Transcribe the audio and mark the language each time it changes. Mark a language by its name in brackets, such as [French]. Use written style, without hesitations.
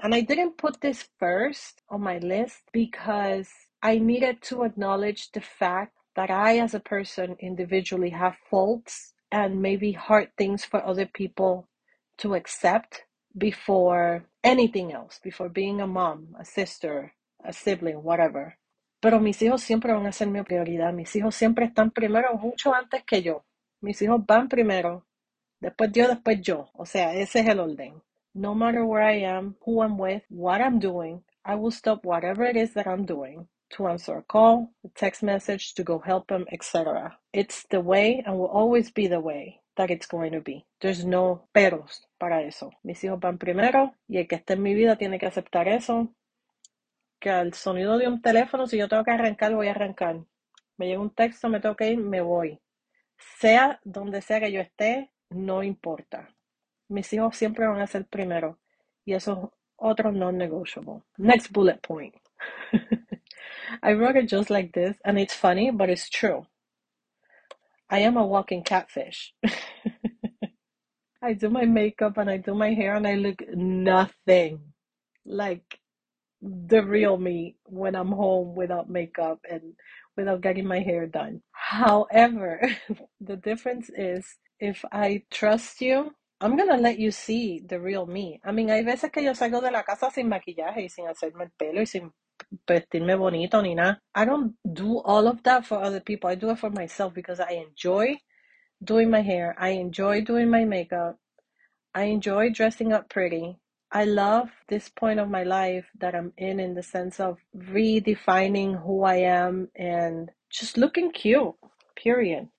[English] And I didn't put this first on my list because I needed to acknowledge the fact that I, as a person, individually have faults and maybe hard things for other people to accept before anything else, before being a mom, a sister, a sibling, whatever. [Spanish] pero mis hijos siempre van a ser mi prioridad. Mis hijos siempre están primero, mucho antes que yo. Mis hijos van primero, después Dios, después yo. O sea, ese es el orden. [English] No matter where I am, who I'm with, what I'm doing, I will stop whatever it is that I'm doing to answer a call, a text message, to go help them, etc. It's the way and will always be the way that it's going to be. There's no [Spanish] peros para eso. Mis hijos van primero y el que esté en mi vida tiene que aceptar eso. Que al sonido de un teléfono, si yo tengo que arrancar, voy a arrancar. Me llega un texto, me tengo que ir, me voy. Sea donde sea que yo esté, no importa. Mis hijos siempre van a ser primero y eso es otro non-negotiable. [English] Next bullet point. I wrote it just like this and it's funny, but it's true. I am a walking catfish. I do my makeup and I do my hair and I look nothing like the real me when I'm home without makeup and without getting my hair done. However, the difference is if I trust you, I'm gonna let you see the real me. I mean, [Spanish] hay veces que yo salgo de la casa sin maquillaje y sin hacerme el pelo y sin vestirme bonito ni nada. [English] I don't do all of that for other people. I do it for myself because I enjoy doing my hair. I enjoy doing my makeup. I enjoy dressing up pretty. I love this point of my life that I'm in the sense of redefining who I am and just looking cute, period.